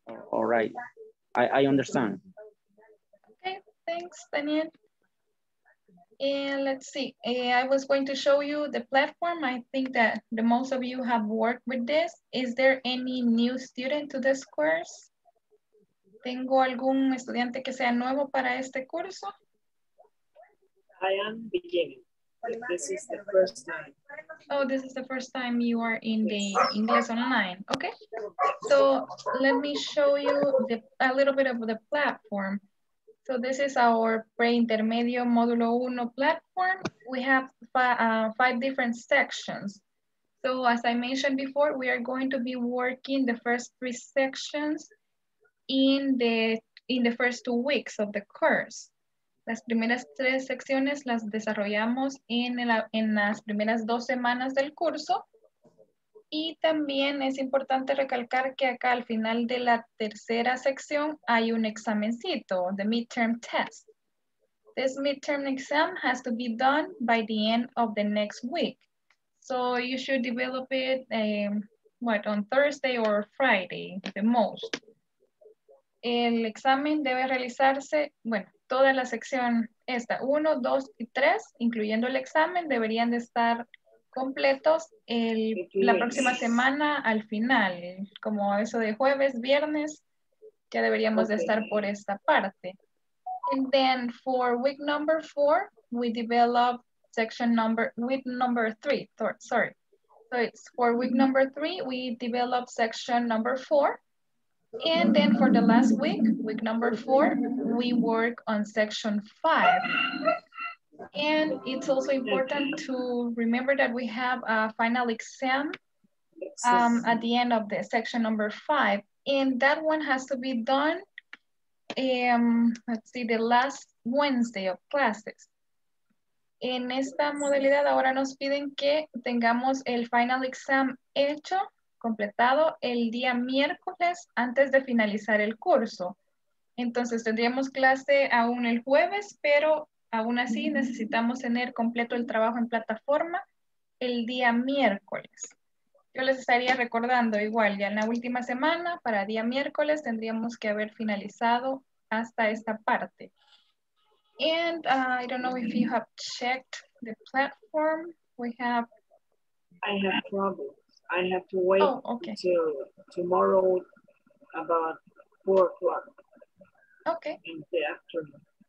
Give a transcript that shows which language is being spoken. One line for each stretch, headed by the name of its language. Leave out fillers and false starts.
English: All right. I understand. Okay, thanks, Daniel. And let's see. I was going to show you the platform. I think that the most of you have worked with this. Is there any new student to this course?
Spanish: ¿Tengo algún estudiante que sea nuevo para este curso?
English: I am beginning. This is the first time. Oh, this is the first time you are in the Inglés Online. Okay. So let me show you a little bit of the platform. So this is our pre-intermedio modulo uno platform. We have five different sections. So as I mentioned before, we are going to be working the first three sections in the first 2 weeks of the course.
Spanish: Las primeras tres secciones las desarrollamos en las primeras dos semanas del curso. Y también es importante recalcar que acá al final de la tercera sección hay un examencito,
English: the midterm test. This midterm exam has to be done by the end of the next week. So you should develop it on Thursday or Friday, the most.
Spanish: El examen debe realizarse, bueno, toda la sección esta, 1, 2 y 3, incluyendo el examen, deberían de estar completos la próxima semana al final, como eso de jueves, viernes, ya deberíamos de estar por esta parte.
English: And then for week number 4, we develop week number 3. So it's for week number 3, we develop section number 4. And then for the last week, week number four, we work on section five. And it's also important to remember that we have a final exam at the end of the section number five. And that one has to be done, let's see, the last Wednesday of classes.
Spanish: En esta modalidad ahora nos piden que tengamos el final exam hecho, completado, el día miércoles antes de finalizar el curso. Entonces tendríamos clase aún el jueves, pero aún así necesitamos tener completo el trabajo en plataforma el día miércoles. Yo les estaría recordando igual, ya en la última semana, para día miércoles, tendríamos que haber finalizado hasta esta parte.
English: And I don't know if you have checked the platform. We have. I have problems. I have to wait till tomorrow about 4 o'clock. Okay. In the afternoon.